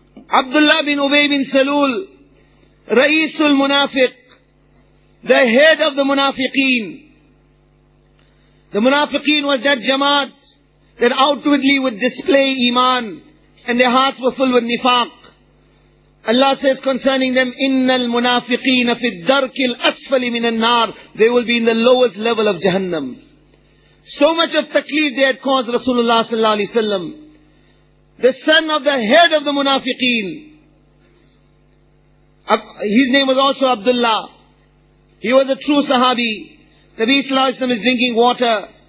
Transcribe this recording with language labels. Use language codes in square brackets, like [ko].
[en] Abdullah bin Ubay bin Salul, Ra'isul Munafiq, the head of the munafiqeen. The munafiqeen was that jamaat that outwardly would display iman and their hearts were full with nifaq. Allah says concerning them, [ar] إِنَّ الْمُنَافِقِينَ فِي الدَّرْكِ الْأَسْفَلِ مِنَ النَّارِ. [en] They will be in the lowest level of Jahannam. So much of takleef they had caused Rasulullah sallallahu alaihi wasallam. The son of the head of the munafiqeen, his name was also Abdullah. He was a true sahabi. Nabi sallallahu alaihi wasallam is drinking water.